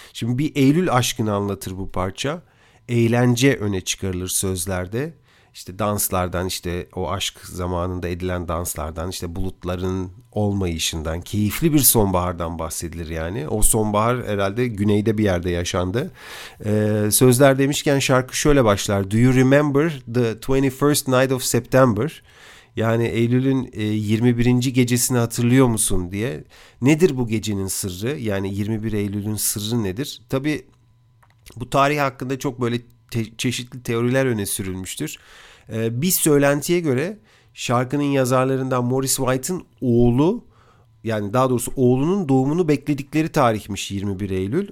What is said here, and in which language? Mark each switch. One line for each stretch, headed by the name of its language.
Turkish: Şimdi bir Eylül aşkını anlatır bu parça. Eğlence öne çıkarılır sözlerde. İşte danslardan, işte o aşk zamanında edilen danslardan, işte bulutların olmayışından, keyifli bir sonbahardan bahsedilir yani. O sonbahar herhalde güneyde bir yerde yaşandı. Sözler demişken şarkı şöyle başlar.
English: "Do you remember the 21st night of September?"
Turkish: Yani Eylül'ün 21. gecesini hatırlıyor musun diye. Nedir bu gecenin sırrı? Yani 21 Eylül'ün sırrı nedir? Tabii bu tarih hakkında çok böyle çeşitli teoriler öne sürülmüştür. Bir söylentiye göre şarkının yazarlarından Morris White'ın oğlu, yani daha doğrusu oğlunun doğumunu bekledikleri tarihmiş 21 Eylül.